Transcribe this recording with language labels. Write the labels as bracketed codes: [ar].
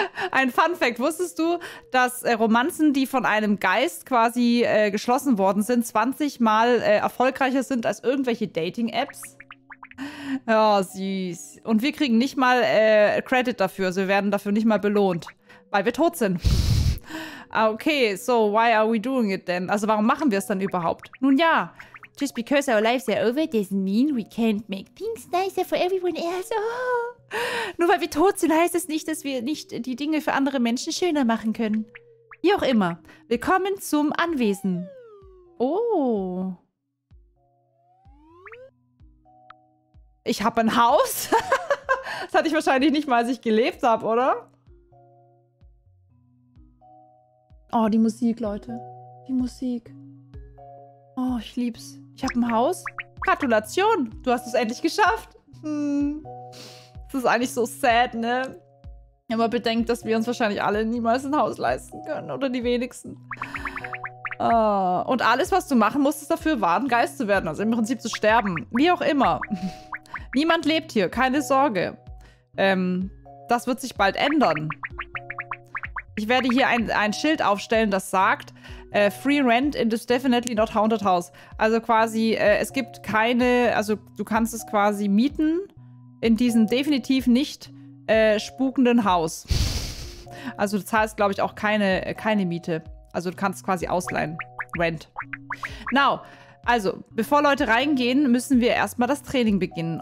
[de] Ein Fun fact, wusstest du, dass Romanzen, die von einem Geist quasi geschlossen worden sind, 20 mal erfolgreicher sind als irgendwelche Dating Apps? Ja, oh, süß. Und wir kriegen nicht mal Credit dafür, also wir werden dafür nicht mal belohnt, weil wir tot sind. [en] Okay, so why are we doing it then? [de] Also warum machen wir es dann überhaupt? Nun ja. [en] Just because our lives are over doesn't mean we can't make things nicer for everyone else. Oh. [de] Nur weil wir tot sind, heißt es nicht, dass wir nicht die Dinge für andere Menschen schöner machen können. Wie auch immer, willkommen zum Anwesen. Oh. Ich habe ein Haus. Das hatte ich wahrscheinlich nicht mal, als ich gelebt habe, oder? Oh, die Musik, Leute. Die Musik. Oh, ich lieb's. Ich habe ein Haus. Gratulation, du hast es endlich geschafft. Das ist eigentlich so sad, ne? Aber bedenkt, dass wir uns wahrscheinlich alle niemals ein Haus leisten können. Oder die wenigsten. Und alles, was du machen musst, ist dafür, warten, Geist zu werden. Also im Prinzip zu sterben. Wie auch immer. Niemand lebt hier, keine Sorge. Das wird sich bald ändern. Ich werde hier ein Schild aufstellen, das sagt... [en] free rent in this definitely not haunted house. [de] Also quasi, es gibt keine, also du kannst es quasi mieten in diesem definitiv nicht spukenden Haus. Also du zahlst, glaube ich, auch keine Miete. Also du kannst es quasi ausleihen. Rent. Now, also bevor Leute reingehen, müssen wir erstmal das Training beginnen.